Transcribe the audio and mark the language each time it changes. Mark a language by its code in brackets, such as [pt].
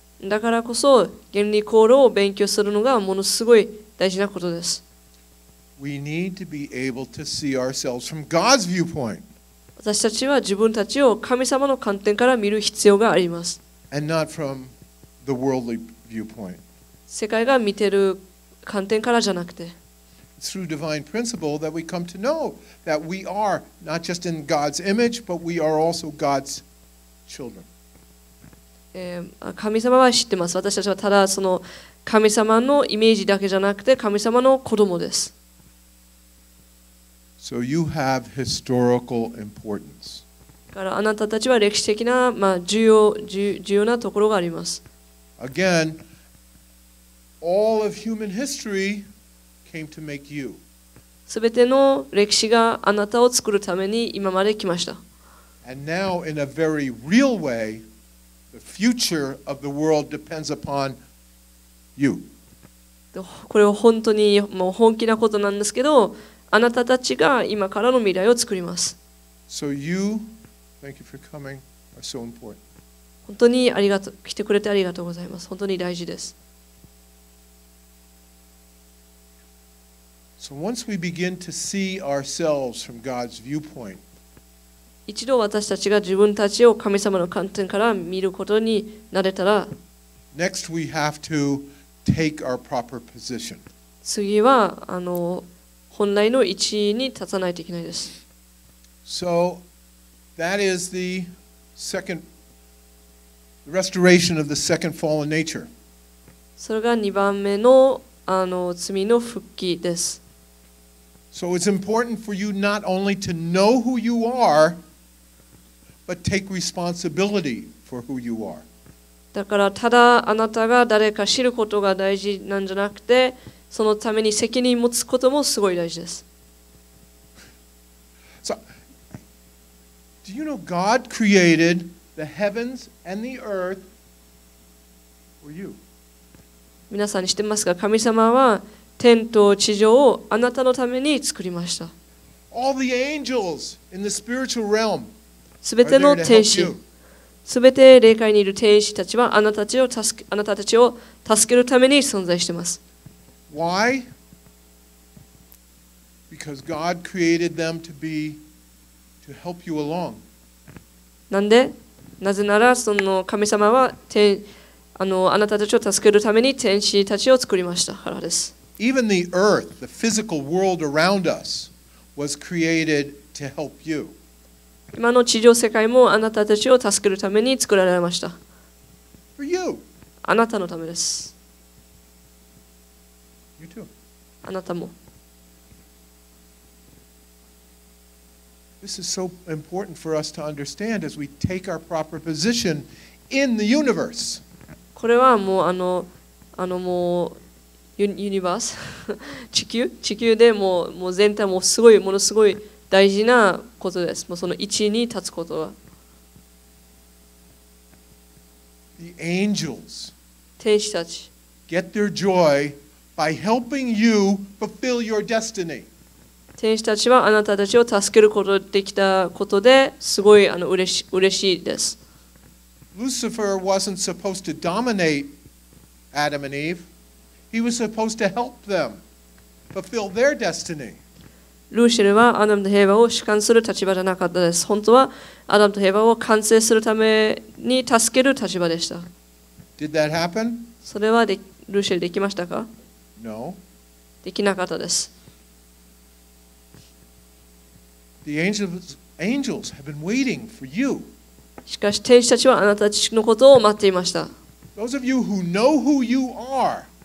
[ja] だからこそ原理行動を勉強するのがものすごい大事なことです。 [en] We need to be able to see ourselves from God's viewpoint. [ja] 私たちは自分たちを神様の観点から見る必要があります。 [en] And not from the worldly viewpoint. [ja] 世界が見てる観点からじゃなくて。 [en] Through divine principle that we come to know that we are not just in God's image, but we are also God's children. [ja] 神様は知ってます。私たちはただその神様のイメージだけじゃなくて神様の子供です。 [en] So you have historical importance. [ja] からあなたたちは歴史的な、まあ、重要なところがあります。 [en] Again, all of human history came to make you. [ja] すべての歴史があなたを作るために今まで来ました。 [en] And now, in a very real way, the future of the world depends upon you. [ja] これは本当にもう本気なことなんですけど、あなたたちが今からの未来を作ります。 [en] So you, thank you for coming, are so important. [ja] 本当にありがとう、来てくれてありがとうございます。本当に大事です。 [en] So once we begin to see ourselves from God's viewpoint, [ja] 一度私たちが自分たちを神様の観点から見ることになれたら、 [en] Next we have to take our proper position. [ja] 次は、本来の位置に立たないといけないです。 [en] So, that is the second restoration of the second fallen nature. [ja] それが2番目の、罪の復帰です。 [en] So it's important for you not only to know who you are, but take responsibility for who you are. [ja] だからただあなたが誰か知ることが大事なんじゃなくて、そのために責任を持つこともすごい大事です。 [en] So, do you know God created the heavens and the earth for you? [ja] 皆さん知ってますか？神様は天と地上をあなたのために作りました。 [en] All the angels in the spiritual realm. [ja] すべての天使、すべて霊界にいる天使たちはあなたたちを助けるために存在しています。 [en] Why? Because God created them to be to help you along. [ja] なんで？なぜならその神様は天、あなたたちを助けるために天使たちを作りましたからです。 [en] Even the earth, the physical world around us, was created to help you. [ja] 今の地上世界もあなたたちを助けるために作られました。 [en] For you. [ja] あなたのためです。 [en] You too. [ja] あなたも。 [en] This is so important for us to understand as we take our proper position in the universe. [ja] これはもうもう。ユニバース地球、地球でもう、もう全体もすごい、ものすごい大事なことです。もうその位置に立つことは。 [en] The angels [ja] 天使たち [en] get their joy by helping you fulfill your destiny. [ja] 天使たちはあなたたちを助けることができたことですごい嬉しいです。 [en] Lucifer wasn't supposed to dominate Adam and Eve. He was supposed to help them fulfill their destiny. [ja] ルシェルはアダムとヘヴァを主管する立場じゃなかったです。本当はアダムとヘヴァを完成するために助ける立場でした。 [en] Did that happen? [ja] それはルシェルできましたか？ [en] No. [ja] できなかったです。 [en] The angels have been waiting for you. [ja] しかし天使たちはあなたたちのことを待っていました。 [en] Those of you who know who you are.